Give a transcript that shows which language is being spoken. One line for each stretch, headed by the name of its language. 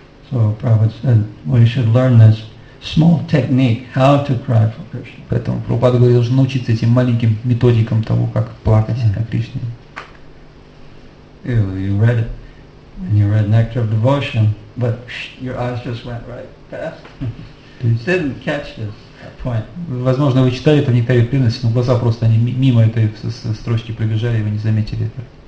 English: So Prabhupada said, we should learn this. Small technique, how to cry for Krishna.
Russian: Поэтому Прабхупада говорит, должен научиться этим маленьким методикам того, как плакать о Кришне.
English: You read it, and you read Nectar of Devotion, but your eyes just went right past. Didn't catch this point.
Russian: Возможно, вы читали это в Нектаре преданности, но глаза просто они мимо этой строчки пробежали, и вы не заметили это.